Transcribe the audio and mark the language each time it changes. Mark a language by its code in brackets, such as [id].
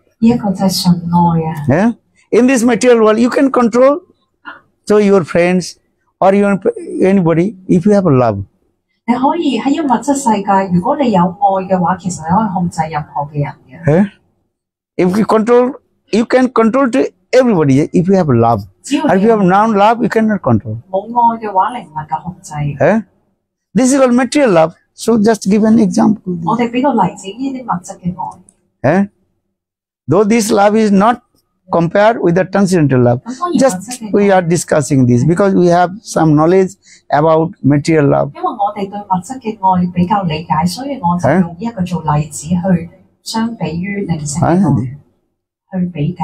[en] In this material world, you can control so your friends or your anybody if you have a love. [yue] 你可以喺物质世界，如果你有爱嘅话，其实你可以控制任何嘅人嘅。 [en] If you control, you can control to everybody. If you have love, and if you have non-love, you cannot control. [yue] 冇爱嘅话，你唔能够控制。 [en] This is all material love. So just give an example. [yue] 我哋俾个例子，呢啲物质嘅爱。 [en] Though this love is not compared with the transcendental love, just we are discussing this because we have some knowledge about material love. [yue] 因为我哋对物质嘅爱比较理解，所以我就用呢一个做例子去相比于灵性爱去比较。